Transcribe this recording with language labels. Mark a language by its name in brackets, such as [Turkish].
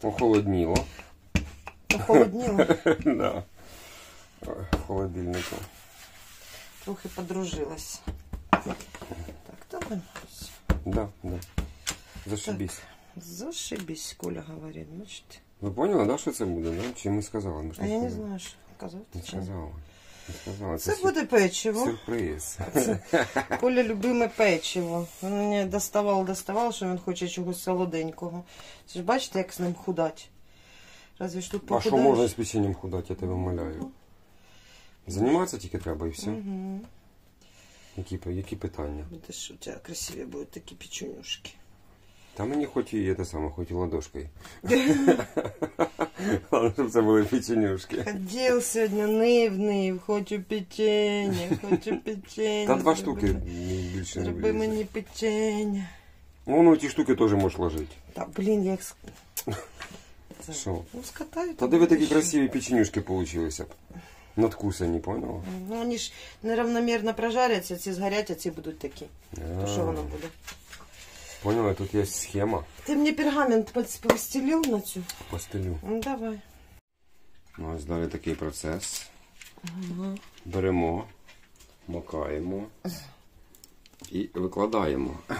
[Ukrainian] Охолодніло. Охолодніло? [Russian] Да. Холодильник. [Ukrainian] Трохи подружилось. Так, так. [Russian] Да, да. Зашибись. Зашибись, Коля говорит, значит. [Ukrainian] Ви поняли, да, що це буде, да? Чи ми сказали? А я не знаю, що казати. Не сказала. Це буде печиво. Сюрприз. Коля любиме печиво. Він мені доставав, що він хоче чогось солоденького. Це ж бачите, як з ним худать. Разве ж тут похудаєш? А що можна з печеньем худати, я тебе умоляю. Займатися тільки треба і все. Які питання? Будеш, у тебе красиві будуть такі печенюшки. Та мені хоч і те саме, хоч і ладошкою. [Russian] Главное, чтобы это были печенюшки. Ходил сегодня, ныв, хочу печенье. Да два штуки, больше не будет. Зроби мне печенье. Вон, ну, эти штуки тоже можешь ложить. Да, блин, я их... Что? Ну, скатаю. Да дивись, такие красивые печенюшки получились б. [Ukrainian] Надкусані, понял? Ну, они ж неравномерно прожарятся, ці сгорять, а ці будуть такі. То що воно буде? Поняла, тут є схема. Ти мені пергамент постелив на цю? Постелю. Давай. Ну, ось далі такий процес. Угу. Беремо, макаємо і викладаємо.